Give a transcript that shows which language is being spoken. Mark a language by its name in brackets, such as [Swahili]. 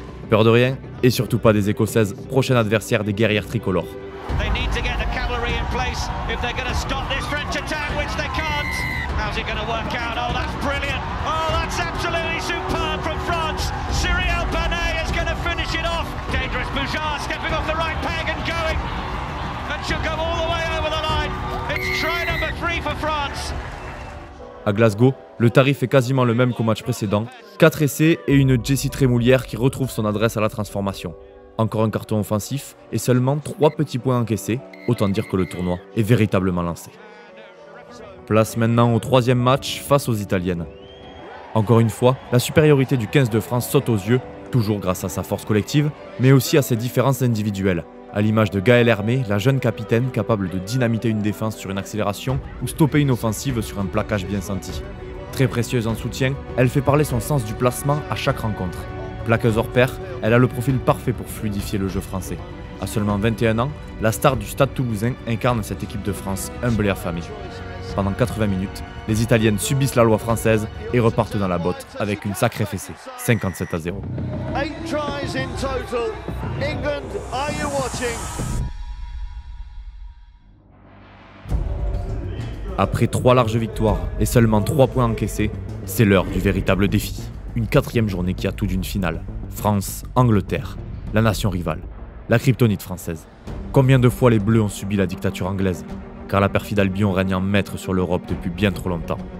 [French] Peur de rien, et surtout pas des Écossaises, prochaine adversaire des guerrières tricolores. [English] They need to get the cavalry in place if they're going to stop this French attack, which they can't. How's it going to work out? Oh, that's brilliant. Oh, that's absolutely superb from France. Cyrielle Panet is going to finish it off. Dangerous Bouchard stepping off the right peg and going. And she'll go all the way over the line. It's try number three for France. [French] À Glasgow, le tarif est quasiment le même qu'au match précédent. 4 essais et une Jessie Trémoulière qui retrouve son adresse à la transformation. Encore un carton offensif et seulement 3 petits points encaissés, autant dire que le tournoi est véritablement lancé. Place maintenant au troisième match face aux Italiennes. Encore une fois, la supériorité du 15 de France saute aux yeux, toujours grâce à sa force collective, mais aussi à ses différences individuelles. À l'image de Gaëlle Hermé, la jeune capitaine capable de dynamiter une défense sur une accélération ou stopper une offensive sur un plaquage bien senti. Très précieuse en soutien, elle fait parler son sens du placement à chaque rencontre. Plaqueuse hors pair, elle a le profil parfait pour fluidifier le jeu français. À seulement 21 ans, la star du Stade Toulousain incarne cette équipe de France humble et affamée. Pendant 80 minutes, les Italiennes subissent la loi française et repartent dans la botte avec une sacrée fessée, 57-0. [English] 8 tries in total. England, are you watching? [French] Après 3 larges victoires et seulement 3 points encaissés, c'est l'heure du véritable défi. Une quatrième journée qui a tout d'une finale. France, Angleterre, la nation rivale, la kryptonite française. Combien de fois les Bleus ont subi la dictature anglaise? Car la perfide Albion règne en maître sur l'Europe depuis bien trop longtemps.